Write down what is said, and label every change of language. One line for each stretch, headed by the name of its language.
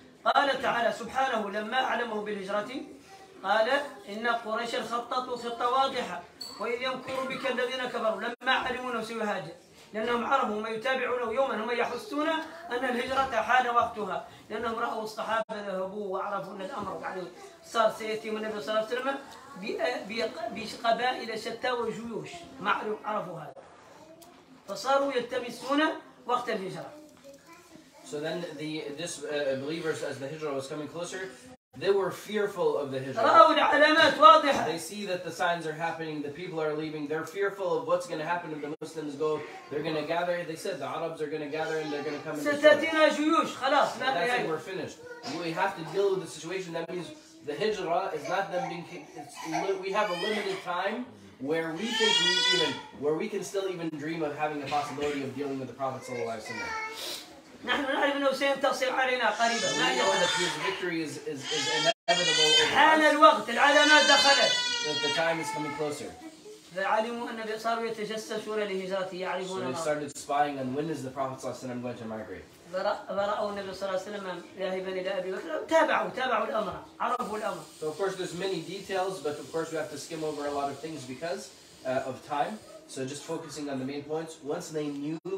Arabic: قال تعالى سبحانه لما أعلمه بالهجرة قال إن قريش خططوا خطة واضحة وإذ يمكر بك الذين كفروا لما علمونه سيهاجر لأنهم عرفوا ما يتابعونه يوما هم يحسون أن الهجرة حان وقتها لأنهم رأوا الصحابة ذهبوا وعرفوا أن الأمر يعني صار سيأتي من النبي صلى الله عليه وسلم بقبائل شتى وجيوش معلوم عرفوا هذا فصاروا يلتمسون وقت الهجرة.
English: So then the disbelievers as the hijrah was coming closer, they were fearful of the hijrah. They see that the signs are happening, the people are leaving, they're fearful of what's going to happen if the Muslims go. They're going to gather, they said the Arabs are going to gather and they're going to come and destroy. That's it, we're finished. We have to deal with the situation. That means the hijrah is not them being kicked. It's we have a limited time where we think we even, where we can still even dream of having the possibility of dealing with the Prophet
Arabic: صلى الله عليه وسلم. نحن نعرف أنه سينتصر علينا قريبا.
English: We know that his victory is inevitable.
Arabic: حان الوقت، العلامات دخلت.
English: That the time is coming closer.
Arabic: فعلموا أن صاروا يتجسسون لهجرته يعرفون.
English: So they started spying on when is the Prophet
Arabic: صلى الله عليه وسلم
English: going to migrate.
Arabic: فرأوا النبي صلى الله عليه وسلم ذاهبا إلى أبي بكر. تابعوا الأمر، عرفوا الأمر.
English: So of course there's many details, but of course we have to skim over a lot of things because of time. So just focusing on the main points, once they knew